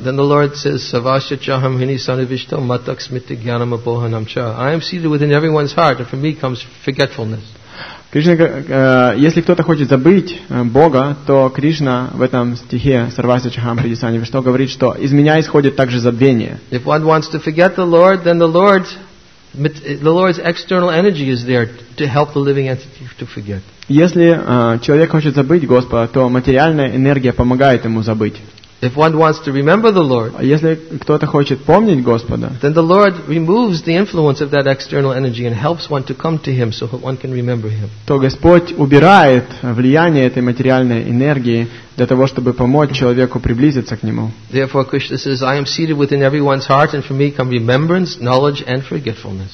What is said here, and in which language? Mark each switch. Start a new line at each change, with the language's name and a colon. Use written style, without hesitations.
English: then the Lord says,
Sanskrit: Savashacham Hini Sanavishto Matak Smitti Gyanam Abohanam Cha.
English: I am seated within everyone's heart, and for me comes forgetfulness.
Russian: Кришна, если кто-то хочет забыть Бога, то Кришна в этом стихе
Sanskrit: Сарвасачахам Хридисанивишто
Russian: говорит, что из меня исходит также забвение.
English: If one wants to forget the Lord, then the Lord's external energy is there to help the living entity to forget.
Russian: Если человек хочет забыть Господа, то материальная энергия помогает ему забыть.
English: If one wants to remember the Lord,
Russian: если кто-то хочет помнить Господа,
English: then the Lord removes the influence of that external energy and helps one to come to Him so that one can remember Him.
Russian: То Господь убирает влияние этой материальной энергии для того, чтобы помочь человеку приблизиться к Нему.
English: Therefore, Krishna says, "I am seated within everyone's heart, and for me come remembrance, knowledge, and forgetfulness."